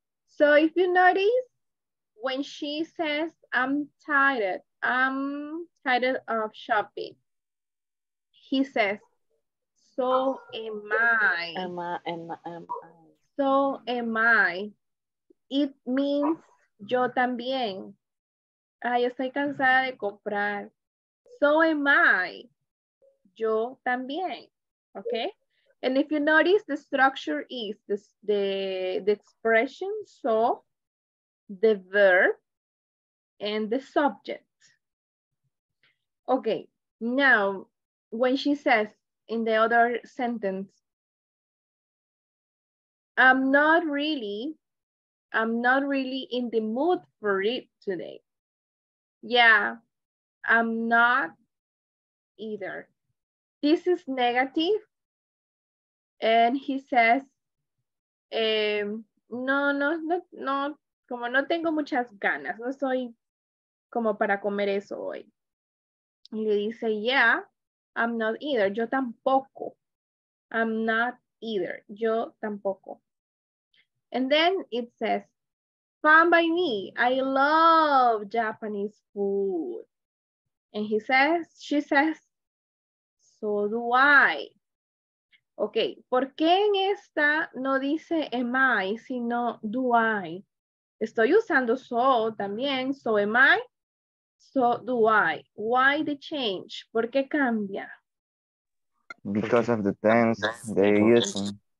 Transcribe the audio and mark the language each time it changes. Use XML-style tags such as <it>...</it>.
<en>So if you notice, when she says, I'm tired of shopping, he says, So am I. It means</en> <es>yo también. Ay, estoy cansada de comprar.</es> <en>So am I.</en> <es>Yo también.</es> <en>Okay. And if you notice, the structure is this, the expression, so the verb and the subject. Okay. Now, when she says in the other sentence, I'm not really in the mood for it today. Yeah, I'm not either. This is negative. And he says,</en> <es>no, como no tengo muchas ganas, no soy como para comer eso hoy. Y le dice,</es> <en>yeah, I'm not either.</en> <es>Yo tampoco.</es> <en>I'm not either.</en> <es>Yo tampoco.</es> <en>And then it says, fine by me. I love Japanese food. And he says, she says, so do I.</en> <es>Okay, ¿por qué en esta no dice</es> <en>am I,</en> <es>sino</es> <en>do I?</en> <es>Estoy usando</es> <en>so</en> <es>también,</es> <en>so am I, so do I. Why the change?</en> <es>¿Por qué cambia?</es> <en>Because of the tense they're using.</en>